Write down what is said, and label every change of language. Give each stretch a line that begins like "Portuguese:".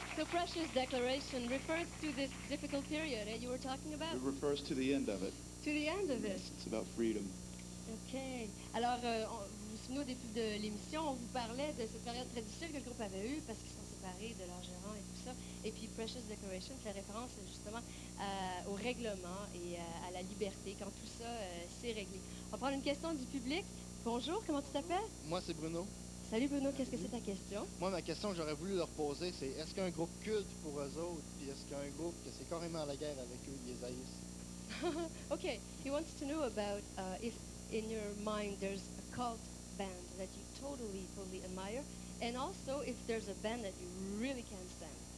English: So Precious Declaration refers to this difficult period that you were talking about. It refers to the end of it. To the end of it. It's about freedom. Okay.
French: Alors, vous souvenez au début de l'émission, on vous parlait de cette période très difficile que le groupe avait eue parce qu'ils sont séparés de leur gérant et tout ça. Et puis Precious Declaration fait référence justement au règlement et à la liberté quand tout ça s'est réglé. On va prendre une question du public. Bonjour, comment tu t'appelles? Moi, c'est Bruno. Salut Bruno, qu'est-ce que c'est ta question? Moi, ma question que j'aurais voulu leur poser, c'est est-ce qu'un groupe culte pour eux autres, puis est-ce qu'un groupe que c'est carrément à la guerre avec eux, les haïssent?
English: Okay, he wants to know about if in your mind there's a cult band that you totally, totally admire, and also if there's a band that you really can't stand.